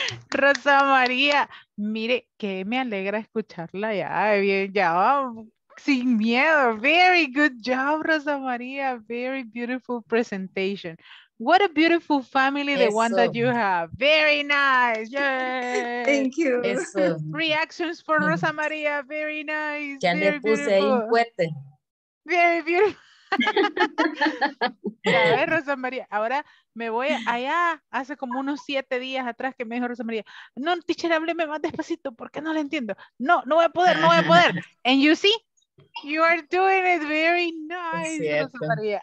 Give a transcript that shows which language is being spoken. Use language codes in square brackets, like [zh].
[es] Rosa María, mire, que me alegra escucharla ya, bien, ya, sin miedo. [en] Very good job, Rosa María. Very beautiful presentation. What a beautiful family, the one that you have. Very nice. Yay. Thank you. [es] Eso. [en] Reactions for Rosa María. Very nice. [es] Ya [en] very [es] le puse ahí un cuete. [en] Very beautiful. [es] A ver, Rosa María, ahora me voy allá. Hace como unos 7 días atrás que me dijo Rosa María, no, teacher, hábleme más despacito porque no le entiendo. No, no voy a poder, no voy a poder. [en] And you see, you are doing it very nice, Rosa María.